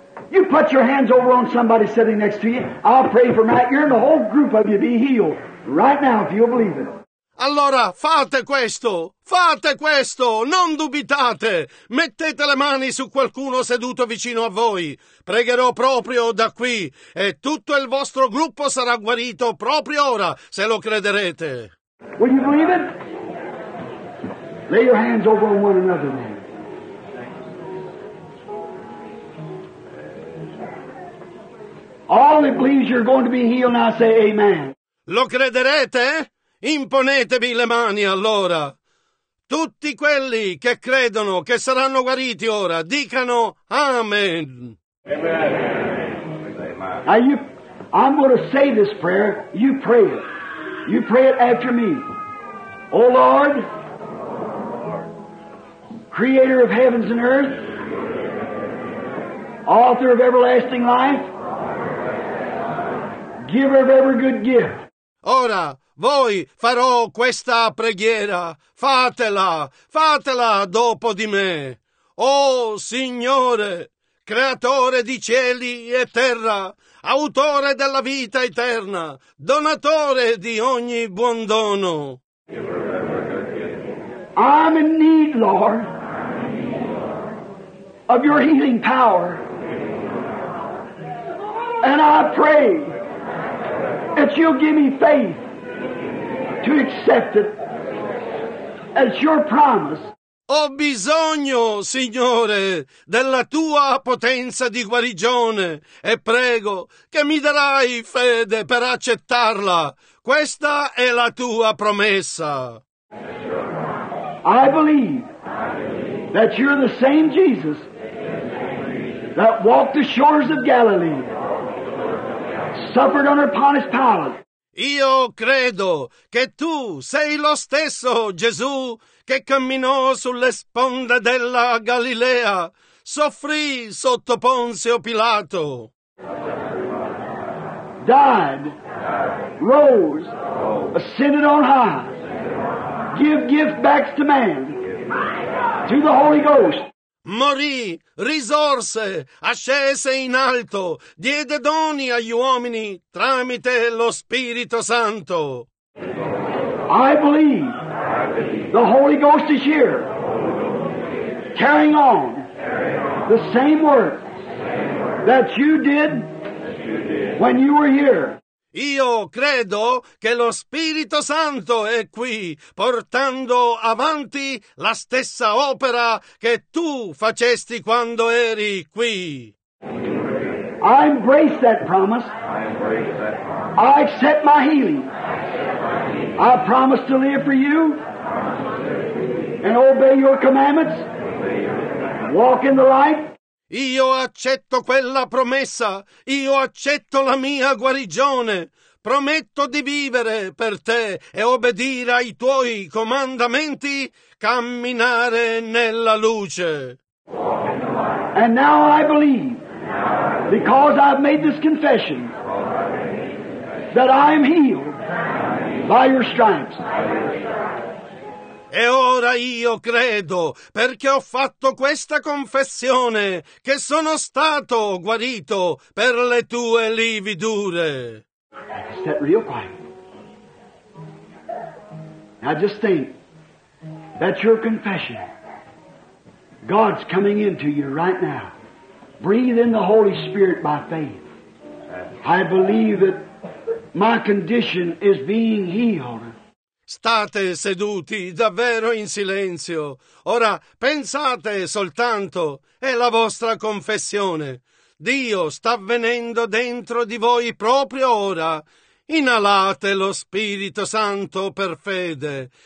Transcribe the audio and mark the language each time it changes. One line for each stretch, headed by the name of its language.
English: You put your hands over on somebody sitting next to you, I'll pray for Matt, you're in the whole group of you be healed, right now if you'll believe it.
Italian: Allora fate questo, non dubitate, mettete le mani su qualcuno seduto vicino a voi, pregherò proprio da qui e tutto il vostro gruppo sarà guarito proprio ora, se lo crederete.
English: Will you believe it? Lay your hands over one another, man. All that believes you're going to be healed now say amen.
Italian: Lo crederete? Imponetevi le mani allora. Tutti quelli che credono che saranno guariti ora, dicano amen. Amen.
English: Now you, I'm going to say this prayer. You pray it. You pray it after me. O Lord, creator of heavens and earth, author of everlasting life, giver of every good gift.
Italian: Ora, voi farò questa preghiera, fatela, fatela dopo di me. O Signore, creatore di cieli e terra, autore della vita eterna, donatore di ogni buon dono.
English: I'm in need, Lord, of your healing power. And I pray that you'll give me faith to accept it as your promise.
Italian: Ho bisogno, Signore, della tua potenza di guarigione e prego che mi darai fede per accettarla. Questa è la tua promessa.
English: I believe that you're the same Jesus that walked the shores of Galilee, suffered under Pontius Pilate.
Italian: Io credo che tu sei lo stesso Gesù che camminò sulle sponde della Galilea, soffrì sotto Ponzio Pilato.
English: Died, rose, ascended on high, give gift back to man, to the Holy Ghost.
Italian: Morì, risorse, ascese in alto, diede doni agli uomini tramite lo Spirito Santo.
English: I believe the Holy Ghost is here, carrying on the same work that you did when you were here.
Italian: Io credo che lo Spirito Santo è qui, portando avanti la stessa opera che tu facesti quando eri qui.
English: I embrace that promise. I accept my healing. I promise to live for you and obey your commandments. Walk in the light.
Italian: Io accetto quella promessa, io accetto la mia guarigione, prometto di vivere per te e obbedire ai tuoi comandamenti, camminare nella luce.
English: And now I believe, because I've made this confession, that I am healed, by your stripes.
Italian: E ora io credo, perché ho fatto questa confessione, che sono stato guarito per le tue lividure.
English: Sit real quiet. Now just think, that's your confession. God's coming into you right now. Breathe in the Holy Spirit by faith. I believe that my condition is being healed.
Italian: State seduti davvero in silenzio. Ora pensate soltanto, è la vostra confessione. Dio sta venendo dentro di voi proprio ora. Inalate lo Spirito Santo per fede.